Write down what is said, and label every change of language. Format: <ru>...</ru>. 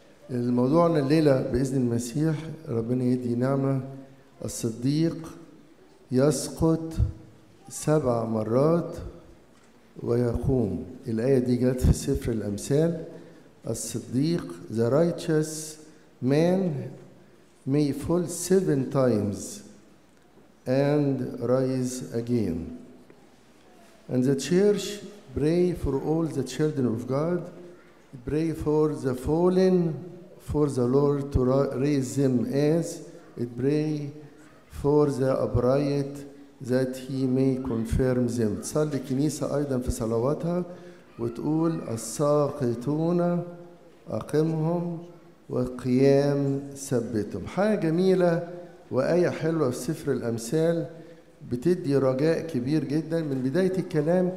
<ar>الموضوع عن الليلة بإذن المسيح، ربنا يدي نعمة، الصديق يسقط 7 مرات ويقوم. الآية دي جت في سفر الأمثال، الصديق</ar> <en>the righteous man may fall 7 times and rise again. And the church pray for all the children of God, pray for the fallen, for the Lord to raise them, as it pray for the upright that he may confirm them.</en> <ar>تصلي الكنيسة أيضا في صلواتها وتقول الساقطون أقمهم وقيام ثبتهم. حاجة جميلة وآية حلوة في سفر الأمثال بتدي رجاء كبير جدا من بداية الكلام.</ar>